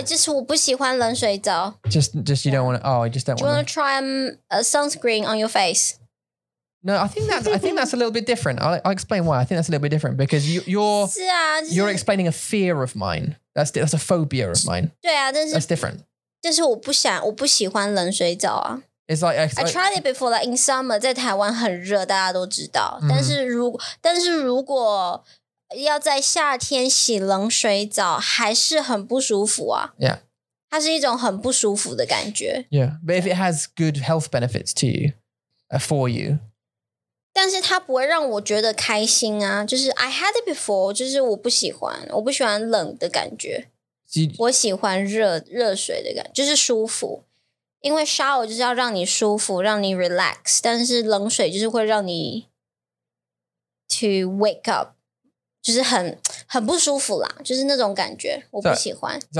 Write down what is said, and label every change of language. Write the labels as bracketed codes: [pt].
[en] No, just [zh] 我不喜欢冷水澡. [en] Just you don't want to, oh, I just don't want to. Do you want to try a sunscreen on your face? No, I think that's a little bit different. I'll explain why. I think that's a little bit different because you're explaining a fear of mine. That's a phobia of mine. [zh] 对啊,但是, [en] that's different. [zh] 但是我不喜欢冷水澡啊. [en] It's like I tried it before, like in summer, [zh] 在台湾很热,大家都知道. [en] Mm-hmm. [zh] 但是如果要在夏天洗冷水澡,还是很不舒服啊. [en] Yeah. [zh] 它是一种很不舒服的感觉. [en] Yeah, but if it has good health benefits to you, for you. [zh] 但是它不会让我觉得开心啊，就是 [en] I had it before， [zh] 就是我不喜欢冷的感觉，我喜欢热水的感觉，就是舒服。因为 shower 就是要让你舒服，让你 relax，但是冷水就是会让你 [en] to wake up， [zh] 就是很不舒服啦，就是那种感觉，我不喜欢。So